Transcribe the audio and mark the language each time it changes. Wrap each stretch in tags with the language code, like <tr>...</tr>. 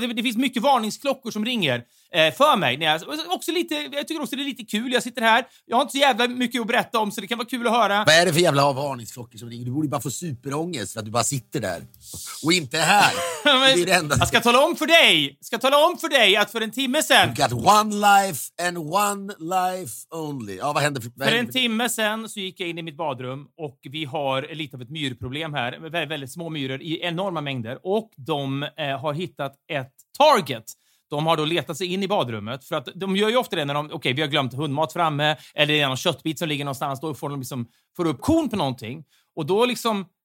<sv>Det finns mycket varningsklockor som ringer för mig. Jag tycker också det är lite kul. Jag sitter här. Jag har inte så jävla mycket att berätta om, så det kan vara kul att höra. Vad är det för jävla varningsklockor som ringer? Du borde bara få superångest för att du bara sitter där. Och inte här. Jag ska tala om för dig. Ska tala om för dig att för en timme sen...</sv> <en>You got one life and one life only.</en> <sv>Ja, vad händer? För en timme sen så gick jag in i mitt badrum och vi har lite av ett myrproblem här. Väldigt små myror i enorma mängder. Och de har hittat ett target. De har då letat sig in i badrummet. För att de gör ju ofta det när de... Okej, vi har glömt hundmat framme. Eller det är någon köttbit som ligger någonstans. Då får de liksom få upp korn på någonting. Och då liksom...</sv>